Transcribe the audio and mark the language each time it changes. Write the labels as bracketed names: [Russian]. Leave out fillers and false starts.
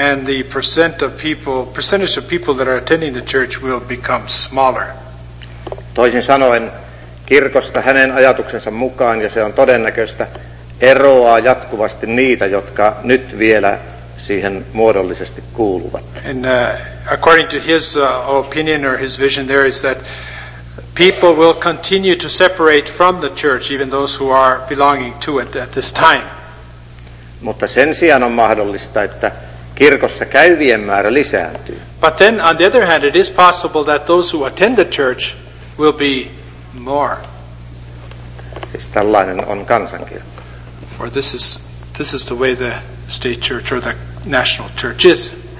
[English] And the percentage of people that are attending the church will become smaller. [Finnish] Toisin sanoen, kirkosta hänen ajatuksensa mukaan, ja se on todennäköistä, eroaa jatkuvasti niitä, jotka nyt vielä siihen muodollisesti kuuluvat. [English] And according to his opinion or his vision there is that people will continue to separate from the church, even those who are belonging to it at this time. [Finnish] Mutta sen sijaan on mahdollista, että kirkossa käyvien määrä lisääntyy. [English] But then, on the other hand, it is possible that those who attend the church will be more. [Finnish] Siis tällainen on kansankirkko. [English] For this is the way the state church or the national church is.